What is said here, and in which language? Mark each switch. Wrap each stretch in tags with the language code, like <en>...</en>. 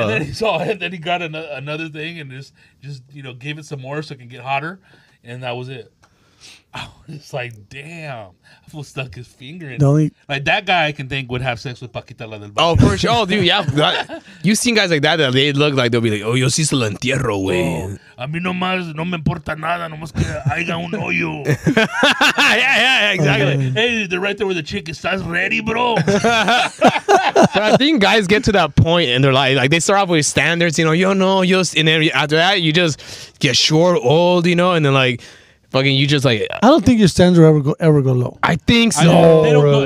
<en>and then he saw, and then he got another thing and just gave it some more so it can get hotter, and that was it. I was just like, damn. I feel stuck his finger in it. Like, that guy I can think would have sex with Paquita La del Barrio. Oh, for sure. Oh, dude, yeah. You've seen guys like that they look like they'll be like, oh,</en> <es>yo sí se lo entierro, güey. A mí nomás no me importa nada, nomás que haya un hoyo.</es> <en>Yeah, yeah, yeah, exactly. Okay. Hey, they're right there with the chick. ¿Estás ready, bro? So I think guys get to that point and they're like, they start off with standards, you know,</en> <es>yo no, yo,</es> <en>and then after that, you just get short, old, you know, and then like, fucking, you just like. I don't think your standards will ever go low. I think so.</en>